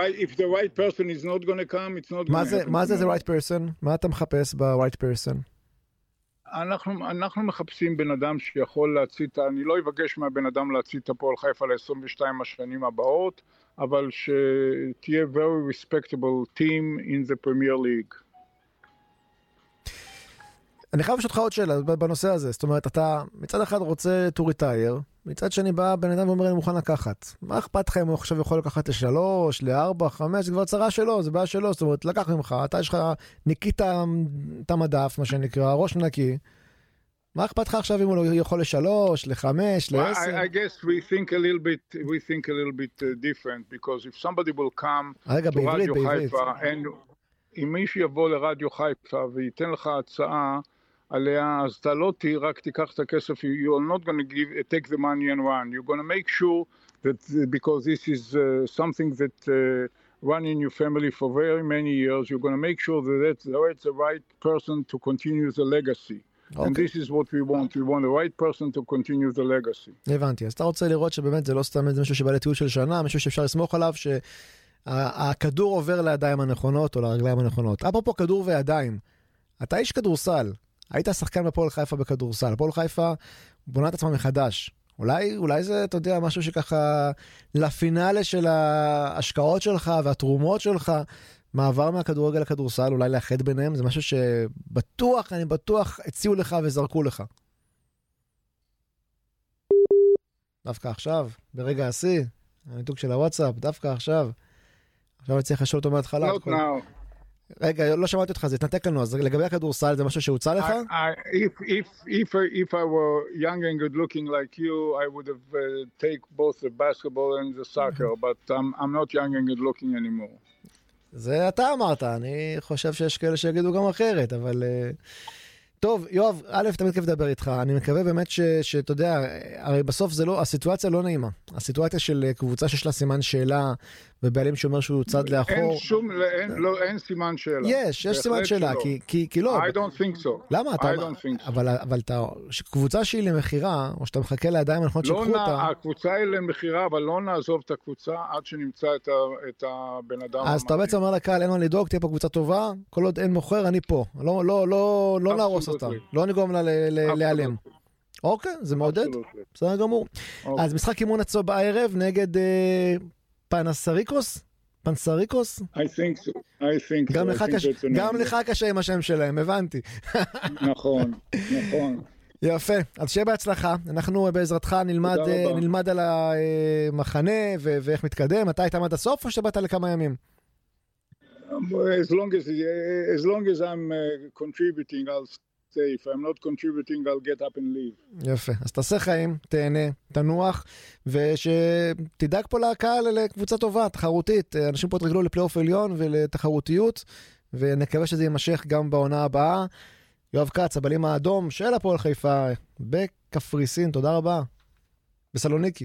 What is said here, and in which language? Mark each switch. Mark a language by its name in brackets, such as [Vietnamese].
[English] If the right person is not going to come, it's not going to happen. [Hebrew] מה זה [English] the right person? [Hebrew] מה אתה מחפש ב- [English] right person? [Hebrew] אנחנו מחפשים בן אדם שיכול להציט, אני לא אבקש מהבן אדם להציט הפועל חיפה ל-22 השנים הבאות, אבל שתהיה [English] very respectable team in the Premier League. [Hebrew] אני חייב לשאול אותך עוד שאלה בנושא הזה, זאת אומרת, אתה מצד אחד רוצה [English] to retire, [Hebrew] מצד שני בא בן אדם ואומר, אני מוכן לקחת. מה אכפת לך אם הוא עכשיו יכול לקחת ל-3, ל-4, 5, זה כבר צרה שלו, זה בעיה שלו, זאת אומרת, לקח ממך, אתה יש לך ניקית את המדף, מה שנקרא, ראש נקי, מה אכפת לך עכשיו אם הוא יכול ל-3, ל-5, ל-10? [English] I guess we think a little bit different, because if somebody will come [Hebrew] רגע, [English] to [Hebrew] בעברית, [English] Radio [Hebrew] בעברית. Haifa, and אם מישהו יבוא לרדיו חיפה וייתן לך הצעה, עליה, אז אתה לא רק תיקח את הכסף, [English] you are not going to give, take the money and run. You're going to make sure that because this is something that run in your family for very many years, you're going to make sure that that's the right person to continue the legacy. Okay. And this is what we want. We want the right person to continue the legacy. [Hebrew] הבנתי. אז אתה רוצה לראות שבאמת זה לא סתם איזה משהו שבא לטיול של שנה, משהו שאפשר לסמוך עליו שהכדור עובר לידיים הנכונות או לרגליים הנכונות. אפרופו כדור וידיים, אתה איש כדורסל. היית שחקן בפועל חיפה בכדורסל. פועל חיפה בונה את עצמה מחדש. אולי זה, אתה יודע, משהו שככה לפינאלי של ההשקעות שלך והתרומות שלך, מעבר מהכדורגל לכדורסל, אולי לאחד ביניהם, זה משהו שבטוח, אני בטוח, הציעו לך וזרקו לך. דווקא עכשיו, ברגע השיא, הניתוק של הוואטסאפ, דווקא עכשיו. עכשיו אני צריך לשאול אותו מההתחלה. [English] Not now. [Hebrew] רגע, לא שמעתי אותך, זה התנתק לנו, אז לגבי הכדורסל, זה משהו שהוצא לך? [English] If I were young and good looking like you, I would have take both the basketball and the soccer, but I'm not young and good looking anymore. [Hebrew] זה אתה אמרת, אני חושב שיש כאלה שיגידו גם אחרת, אבל... טוב, יואב, א', תמיד כיף לדבר איתך, אני מקווה באמת שאתה יודע, הרי בסוף זה לא, הסיטואציה לא נעימה, הסיטואציה של קבוצה שיש לה סימן שאלה, ובעלים שאומר שהוא צד לאחור. אין שום, אין סימן שאלה. יש סימן שאלה, כי לא. [English] I don't think so. [Hebrew] למה? אבל קבוצה שהיא למחירה, או שאתה מחכה לידיים הנכונות שקחו אותה. הקבוצה היא למחירה, אבל לא נעזוב את הקבוצה עד שנמצא את הבן אדם. אז אתה בעצם אומר לקהל, אין מה לדאוג, תהיה פה קבוצה טובה, כל עוד אין מוכר, אני פה. לא נהרוס אותה, לא נגרום לה להיעלם. אוקיי, זה מעודד. בסדר גמור. אז משחק אימון הצהוב בערב נגד פנסריקוס? פנסריקוס? [English] I think so. [Hebrew] גם לך קשה עם השם שלהם, הבנתי. נכון, נכון. יפה, אז שיהיה בהצלחה, אנחנו בעזרתך נלמד, נלמד על המחנה ואיך מתקדם, אתה היית עד הסוף או שבאת לכמה ימים? [English] As long as I'm contributing, I'll stay, if I'm not contributing, I'll get up and leave. [Hebrew] יפה, אז תעשה חיים, תהנה, תנוח, ושתדאג פה להקהל לקבוצה טובה, תחרותית, אנשים פה תרגלו לפלייאוף עליון ולתחרותיות, ונקווה שזה יימשך גם בעונה הבאה. יואב קץ, הבלים האדום של הפועל חיפה, בקפריסין, תודה רבה. בסלוניקי.